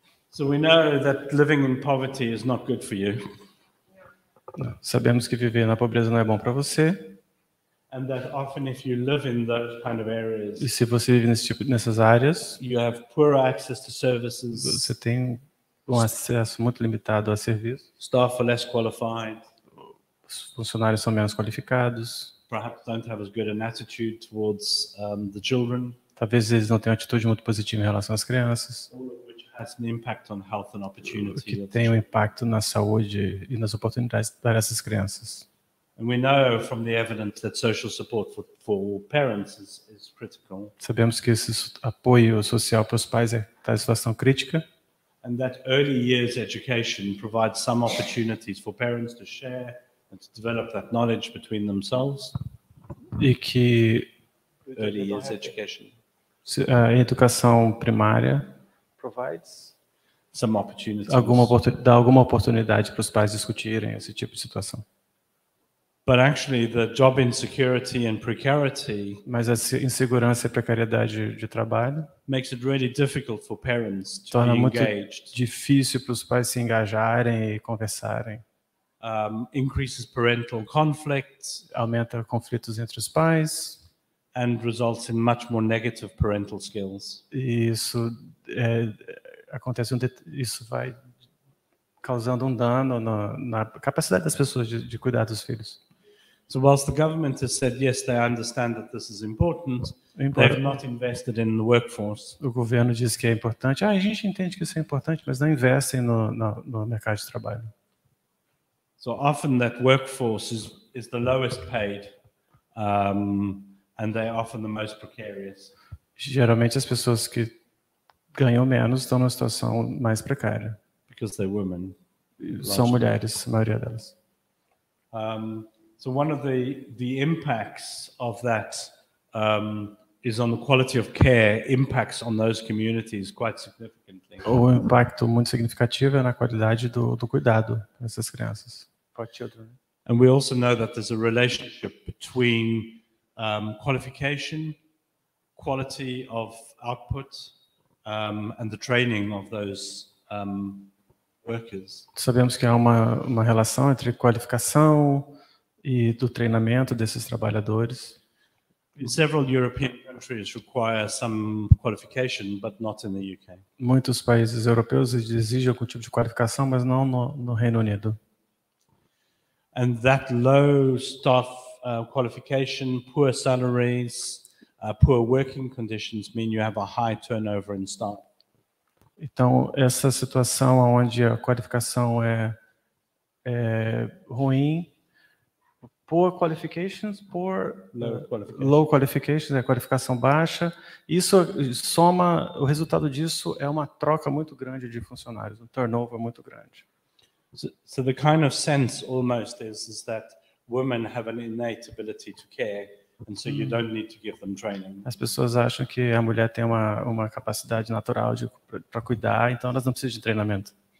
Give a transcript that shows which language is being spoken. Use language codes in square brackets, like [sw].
[en] So we know that living in poverty is not good for you. [pt] Sabemos que viver na pobreza não é bom para você. [en] And that often if you live in those kind of areas, [pt] e se você vive nesse tipo, nessas áreas, [en] you have poor access to services, [pt] você tem acesso muito limitado a serviços. [en] Staff are less qualified. [pt] Funcionários são menos qualificados. [en] Perhaps don't have as good an attitude towards the children. [pt] Talvez eles não tenham atitude muito positiva em relação às crianças. [en] Has an impact on health and opportunity. [pt] Que tem um impacto na saúde e nas oportunidades para essas crianças. [en] And we know from the evidence that social support for parents is critical. [pt] Sabemos que esse apoio social para os pais está em situação crítica. [en] And that early years education provides some opportunities for parents to share and to develop that knowledge between themselves. [pt] E que [en] early years education. [pt] A educação primária [en] provides some opportunities. [pt] Alguma oportunidade para os pais discutirem esse tipo de situação. [en] But actually the job insecurity and precarity, [pt] mas a insegurança e precariedade de trabalho, [en] makes it really difficult for parents to be engaged. [pt] Difícil para os pais se engajarem e conversarem. [en] Increases parental conflicts, [pt] aumenta conflitos entre os pais. [en] And results in much more negative parental skills. [pt] Isso acontece, isso vai causando dano na capacidade das pessoas de cuidar dos filhos. [en] So whilst the government has said yes, they understand that this is important, they've not invested in the workforce. [pt] O governo diz que é importante. Ah, a gente entende que isso é importante, mas não investem no mercado de trabalho. [en] So often that workforce is the lowest paid. And they are often the most precarious. [pt] Geralmente as pessoas que ganham menos estão numa situação mais precária. [en] Because they're women. [pt] São mulheres, a maioria delas. [en] So one of the impacts of that is on the quality of care, impacts on those communities quite significantly. [pt] O impacto muito significativo é na qualidade do cuidado dessas crianças. [en] For children. And we also know that there's a relationship between qualification, quality of output, and the training of those workers. [pt] Sabemos que há uma relação entre qualificação e do treinamento desses trabalhadores. [en] Several European countries require some qualification, but not in the UK. [pt] Muitos países europeus exigem algum tipo de qualificação, mas não no Reino Unido. [en] And that low staff qualification, poor salaries, poor working conditions mean you have a high turnover in staff. [pt] Então, essa situação onde a qualificação é ruim, [en] poor qualifications, low qualifications, [pt] é qualificação baixa, isso soma, o resultado disso é uma troca muito grande de funcionários, um turnover muito grande. [en] So the kind of sense almost is that women have an innate ability to care, and so you don't need to give them training. [pt] As pessoas acham que a mulher tem uma capacidade natural para cuidar, então elas não precisam de treinamento.